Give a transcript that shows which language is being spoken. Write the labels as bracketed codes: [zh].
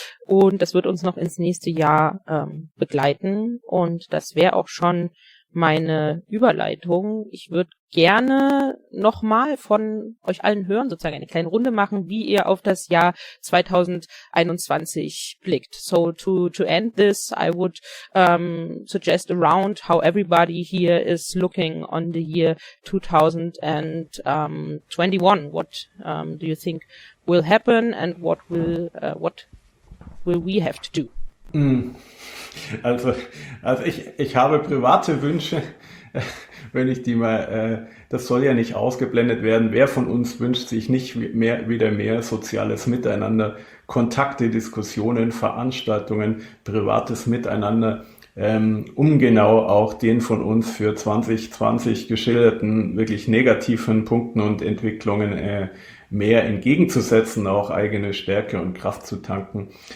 [de] Und das wird uns noch ins nächste Jahr begleiten. Und das wäre auch schon meine Überleitung. Ich würde gerne nochmal von euch allen hören, sozusagen eine kleine Runde machen, wie ihr auf das Jahr 2021 blickt. [en] So to end this, I would suggest a round how everybody here is looking on the year 2021. What do you think will happen and what will we have to do? [de] Also ich habe private Wünsche, wenn ich die mal, das soll ja nicht ausgeblendet werden. Wer von uns wünscht sich nicht wieder mehr soziales Miteinander, Kontakte, Diskussionen, Veranstaltungen, privates Miteinander, um genau auch den von uns für 2020 geschilderten wirklich negativen Punkten und Entwicklungen mehr entgegenzusetzen, auch eigene Stärke und Kraft zu tanken.